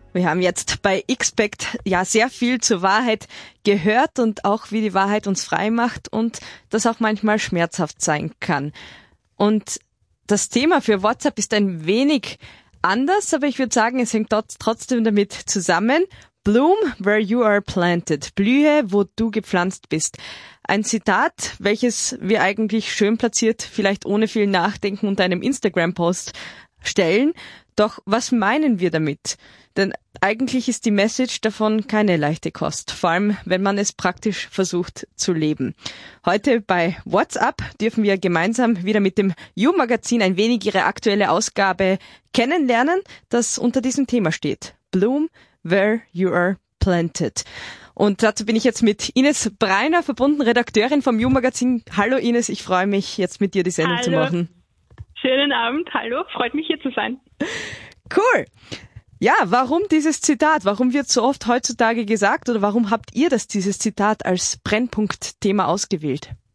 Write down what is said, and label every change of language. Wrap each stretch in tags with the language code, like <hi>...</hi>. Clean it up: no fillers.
<de>Wir haben jetzt bei Xpect ja sehr viel zur Wahrheit gehört und auch wie die Wahrheit uns frei macht und das auch manchmal schmerzhaft sein kann. Und das Thema für WhatsApp ist ein wenig anders, aber ich würde sagen, es hängt dort trotzdem damit zusammen.</de> <en>Bloom where you are planted.</en> <de>Blühe, wo du gepflanzt bist. Ein Zitat, welches wir eigentlich schön platziert, vielleicht ohne viel Nachdenken unter einem Instagram-Post stellen. Doch was meinen wir damit? Denn eigentlich ist die Message davon keine leichte Kost, vor allem wenn man es praktisch versucht zu leben. Heute bei WhatsApp dürfen wir gemeinsam wieder mit dem You-Magazin ein wenig ihre aktuelle Ausgabe kennenlernen, das unter diesem Thema steht.</de> <en>Bloom where you are planted.</en> <de>Und dazu bin ich jetzt mit Ines Breiner verbunden, Redakteurin vom You-Magazin. Hallo Ines, ich freue mich jetzt mit dir die Sendung zu machen. Schönen Abend, hallo, freut mich hier zu sein. Cool. Ja, warum dieses Zitat? Warum wird so oft heutzutage gesagt oder warum habt ihr das dieses Zitat als Brennpunktthema ausgewählt?</de>